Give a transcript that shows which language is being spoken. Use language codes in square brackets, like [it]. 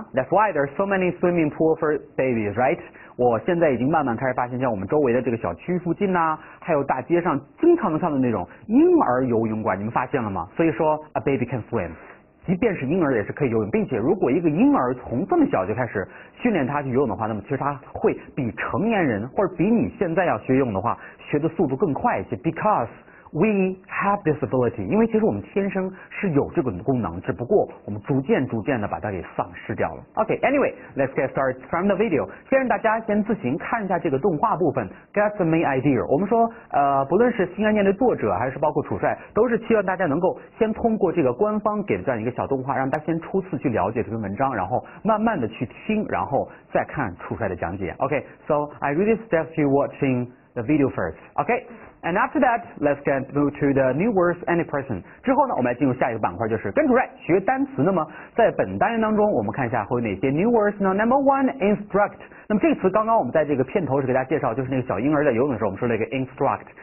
[en] That's why there's so many swimming pool for babies, right? [zh] 我现在已经慢慢开始发现，像我们周围的这个小区附近啊，还有大街上经常能看到那种婴儿游泳馆，你们发现了吗？所以说 a baby can swim，即便是婴儿也是可以游泳，并且如果一个婴儿从这么小就开始训练他去游泳的话，那么其实他会比成年人或者比你现在要学游泳的话学的速度更快一些。 becauseWe have this ability，因为其实我们天生是有这个功能，只不过我们逐渐逐渐的把它给丧失掉了。 [en] OK， anyway， let's get started from the video。 [zh] 先让大家先自行看一下这个动画部分， get the main idea。我们说不论是新概念的作者还是包括楚帅，都是希望大家能够先通过这个官方给的这样一个小动画，让大家先初次去了解这篇文章，然后慢慢的去听，然后再看楚帅的讲解。 [en] OK， so I really suggest you watching the video first。 OK，And after that, let's get move to the new words and expressions. [zh] 之后呢，我们来进入下一个板块，就是跟主任学单词。那么在本单元当中，我们看一下会有哪些 new words 呢？ [en] Number one, instruct. [zh] 那么这个词刚刚我们在这个片头是给大家介绍，就是那个小婴儿在游泳的时候，我们说了一个 instruct。